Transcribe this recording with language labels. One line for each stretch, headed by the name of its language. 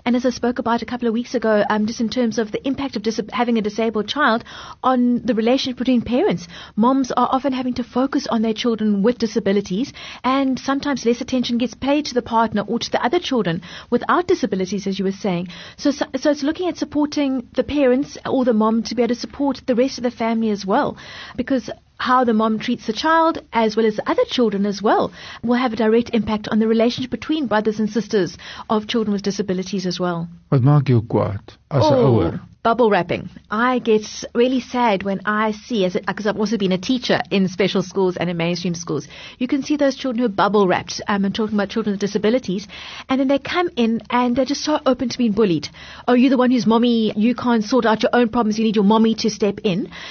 English: And as I spoke about a couple of weeks ago, just in terms of the impact of having a disabled child on the relationship between parents, moms are often having to focus on their children with disabilities, and sometimes less attention gets paid to the partner or to the other children without disabilities, as you were saying. So it's looking at supporting the parents or the mom to be able to support the rest of the family as well, because how the mom treats the child as well as the other children as well will have a direct impact on the relationship between brothers and sisters of children with disabilities as well.
Afrikaans: Wat maak jou kwaad as 'n ouer?
English: Bubble wrapping. I get really sad when I see, because I've also been a teacher in special schools and in mainstream schools, you can see those children who are bubble wrapped. I'm talking about children with disabilities. And then they come in and they're just so open to being bullied. Oh, you're the one who's mommy. You can't sort out your own problems. You need your mommy to step in.